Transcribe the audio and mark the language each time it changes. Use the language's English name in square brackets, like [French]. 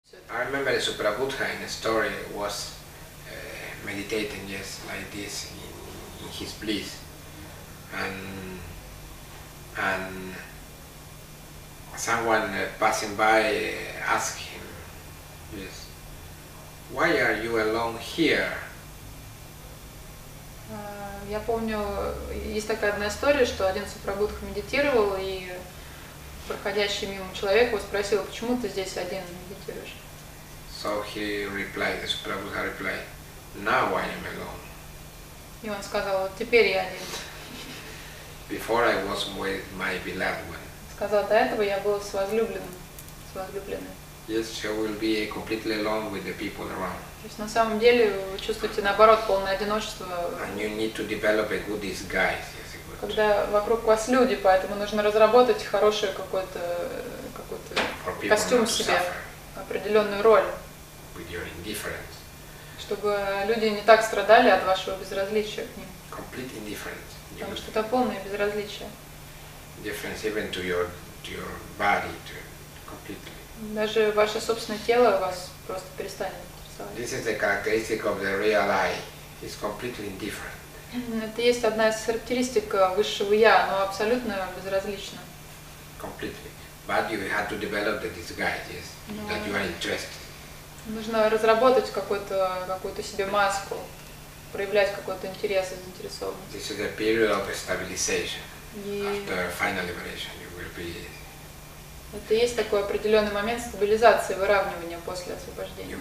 [English] I remember the Supra Buddha in a story was meditating just like this in his bliss, and someone passing by asked him, yes, why are you alone here? [Russian] Я помню, есть такая одна история, что один супрабудха медитировал, и проходящий мимо человек его спросил, почему ты здесь один медитируешь? [English] So he replied, the Suprabuddha replied, now I am alone. [Russian] И он сказал, вот теперь я один. [English] Before I was with my beloved one. [Russian] Сказал, до этого я был с возлюбленным, с возлюбленной. [English] Yes, she will be completely alone with the people around. [Russian] То есть на самом деле вы чувствуете наоборот полное одиночество. [English] And you need to develop a good disguise, yes, good. [Russian] Когда вокруг вас люди, поэтому нужно разработать хорошее какой-то костюм себе, определенную роль. [English] With your indifference. [Russian] Чтобы люди не так страдали от вашего безразличия к ним. [English] Complete indifference. [Russian] Потому что это полное безразличие. [English] Indifference even to your body, to completely. [Russian] Даже ваше собственное тело вас просто перестанет интересовать. [English] This is the characteristic of the real I. It's completely indifferent. [Russian] Это есть одна из характеристик высшего я, оно абсолютно безразлично. [English] Completely. But you have to develop the disguise, yes, no. That you are interested. [Russian] Нужно разработать какую-то себе маску, проявлять какой-то интерес и заинтересованность. [English] This is the period of stabilization. After final liberation, you will be. [Russian] Это есть такой определенный момент стабилизации, выравнивания после освобождения.